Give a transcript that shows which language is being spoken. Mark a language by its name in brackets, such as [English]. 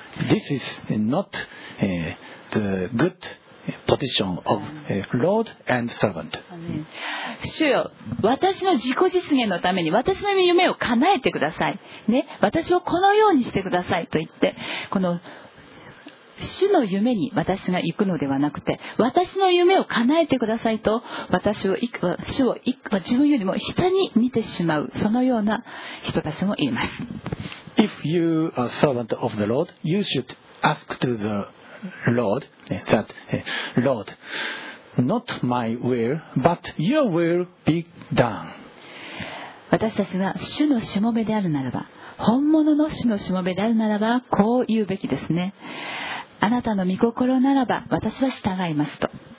[English] This is not the good position of Lord and servant. [Japanese] 主よ、私の自己実現のために私の夢を叶えてください、ね、私をこのようにしてくださいと言って、この主の夢に私が行くのではなくて、私の夢を叶えてくださいと、私を主を自分よりも下に見てしまう、そのような人たちもいます。 [English] If you are servant of the Lord, you should ask to the Lord that Lord, not my will, but your will be done. [Japanese] 私たちが主のしもべであるならば、本物の主のしもべであるならば、こう言うべきですね。あなたの御心ならば私は従いますと。